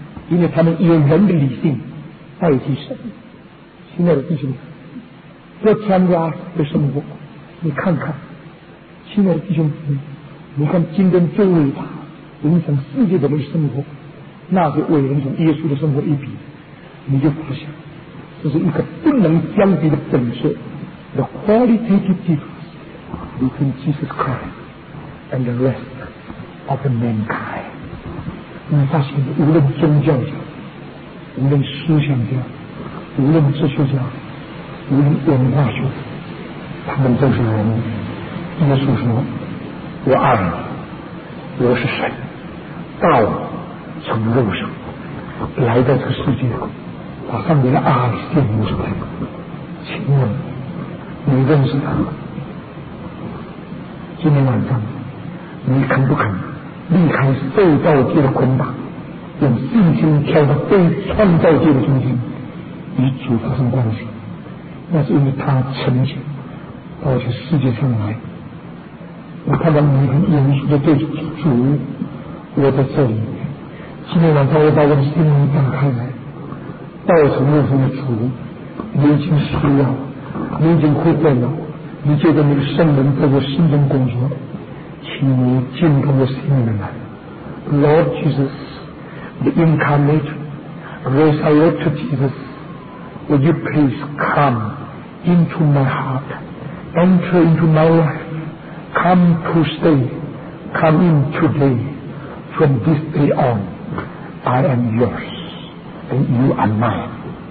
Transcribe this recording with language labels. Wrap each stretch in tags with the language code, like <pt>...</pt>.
<zh>因为他们以人的理性代替神。亲爱的弟兄们，这参加的生活你看看，亲爱的弟兄们，你看今天最伟大影响世界的生活，那些伟人从耶稣的生活一比，你就发现这是一个不能相比的本色。</zh> <en>The qualitative difference between Jesus Christ and the rest of the mankind。</en> <zh>你发现无论宗教家，无论思想家，无论哲学家，无论文化学，他们都是人。耶稣说：“我爱你，我是神，到我从肉身来到这个世界，把上面的爱献出来。” 请问你认识他？今天晚上你肯不肯离开受造界的捆绑，用信心跳到被创造界的中心，与主发生关系？那是因为他曾经到这世界上来。我看到你很严肃的对着主，我在这里。今天晚上我把我的心门打开来，道成肉身的主，你已经需要，你已经会变了，你借着那个圣灵在我心中工作，请你进入我心里面来。</zh> <en>Lord Jesus the incarnate resurrected Jesus, would you please come into my heart, enter into my life, come to stay, come in today, from this day on,I am yours, and you are mine.</en>